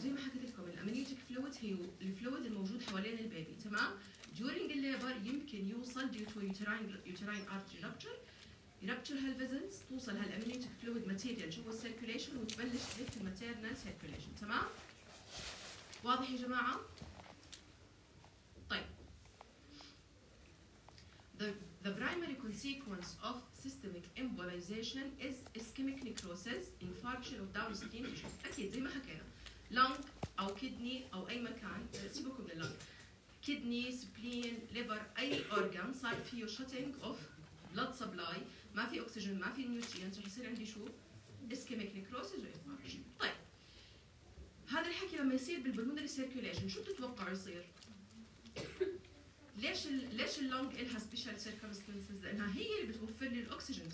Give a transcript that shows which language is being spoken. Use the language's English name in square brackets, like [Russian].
[Arabic] زي ما حكيت لكم الامنيوتيك فلويد هي الفلويد الموجود حوالين البيبي. تمام. [English] during labor [Arabic] يمكن يوصل [English] due to uterine artery rupture، [Arabic] يربطر هالفيزلز، توصل هالامنيوتيك فلويد ماتيريال جوا السيركيليشن وتبلش تلف الماتيرنال سيركيليشن. تمام. واضح يا جماعه؟ [English] The primary consequence of systemic embolization is ischemic necrosis, infarction of downstream tissues. [Arabic] أكيد زي ما حكينا، lung أو kidney أو أي مكان، سيبكم من lung، kidney, spleen, liver، أي organ صار فيه [English] shutting of blood supply، [Arabic] ما في أكسجين، ما في nutrients، رح يصير عندي شو؟ [English] ischemic necrosis [Arabic] و infarction. طيب هذا الحكي لما يصير بالبلمونري circulation شو بتتوقع يصير؟ ليش اللونج إلها [English] special circumstances؟ [Arabic] لأنها هي اللي بتوفر لي الأكسجين.